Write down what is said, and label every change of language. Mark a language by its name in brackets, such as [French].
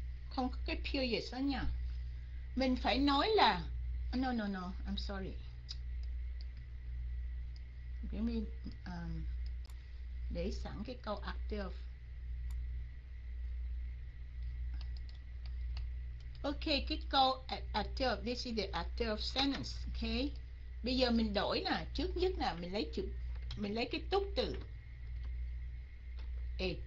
[Vietnamese] Không có cái period đó nha. Mình phải nói là [English] no, no, no, I'm sorry. [Vietnamese] Mình để sẵn cái câu active. [English] Ok, [Vietnamese] cái câu active, [English] this is the active sentence, ok. [Vietnamese] Bây giờ mình đổi nè, trước nhất là mình lấy chữ mình lấy cái túc từ. A.